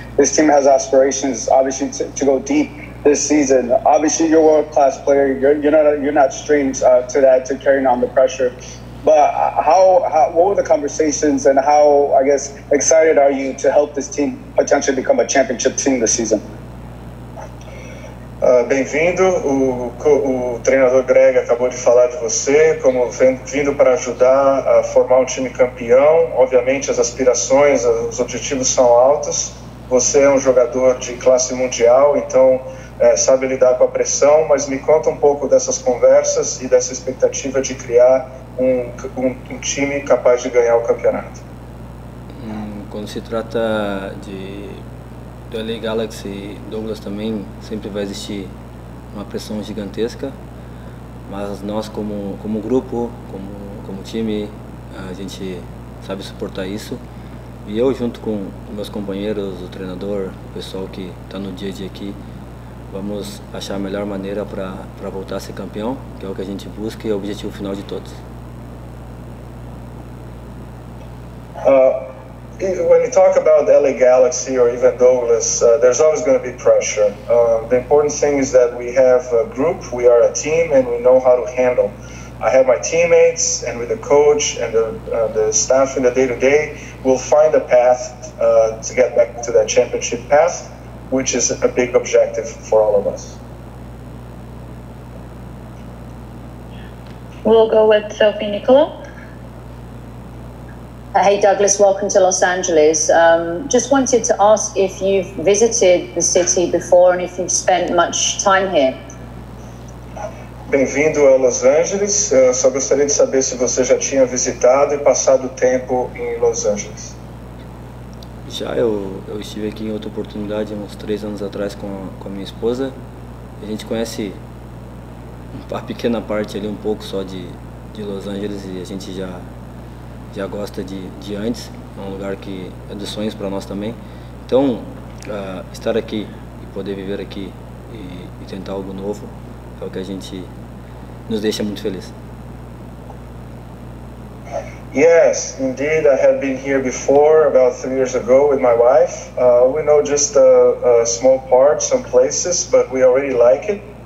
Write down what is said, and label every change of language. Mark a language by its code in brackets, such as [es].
[en] This team has aspirations, obviously, to go deep this season. Obviously, you're a world-class player. You're not strange to that, to carrying on the pressure. But what were the conversations, and how, I guess, excited are you to help this team potentially become a championship team this season? [pt] Bem-vindo. O treinador Greg acabou de falar de você, como vindo para ajudar a formar um time campeão. Obviamente, as aspirações, os objetivos são altos. Você é um jogador de classe mundial, então sabe lidar com a pressão, mas me conta um pouco dessas conversas e dessa expectativa de criar um time capaz de ganhar o campeonato. Quando se trata do LA Galaxy, Douglas também sempre vai existir uma pressão gigantesca, mas nós como grupo, como time, a gente sabe suportar isso. E eu, junto com meus companheiros, o treinador, o pessoal que está no dia a dia aqui, vamos achar a melhor maneira para voltar a ser campeão, que é o que a gente busca e é o objetivo final de todos. [en] When you talk about LA Galaxy or even Douglas, there's always going to be pressure. The important thing is that we have a group, we are a team, and we know how to handle. I have my teammates, and with the coach and the staff in the day-to-day, we'll find a path to get back to that championship path, which is a big objective for all of us. We'll go with Sophie Nicolo. Hey, Douglas, welcome to Los Angeles. Just wanted to ask if you've visited the city before and if you've spent much time here. [pt] Bem-vindo a Los Angeles. Só gostaria de saber se você já tinha visitado e passado tempo em Los Angeles. Já, eu estive aqui em outra oportunidade uns 3 anos atrás com a minha esposa. A gente conhece uma pequena parte ali, um pouco só de Los Angeles, e a gente já gosta de antes. É um lugar que é dos sonhos para nós também. Então, estar aqui e poder viver aqui e tentar algo novo é o que a gente nos deixa muito feliz. [en] Yes, indeed, I have been here before, about 3 years ago, with my wife. We know just a small part, some places, but we already like it.